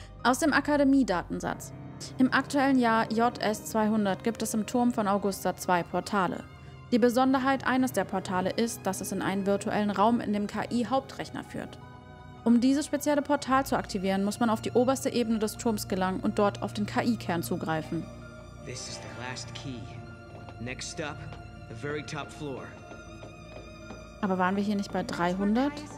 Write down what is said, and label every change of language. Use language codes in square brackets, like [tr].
[de] Aus dem Akademie-Datensatz. Im aktuellen Jahr JS200 gibt es im Turm von Augusta zwei Portale. Die Besonderheit eines der Portale ist, dass es in einen virtuellen Raum in dem KI-Hauptrechner führt. Um dieses spezielle Portal zu aktivieren, muss man auf die oberste Ebene des Turms gelangen und dort auf den KI-Kern zugreifen. [en] This is the last key. Next up, the very top floor. [de] Aber waren wir hier nicht bei 300?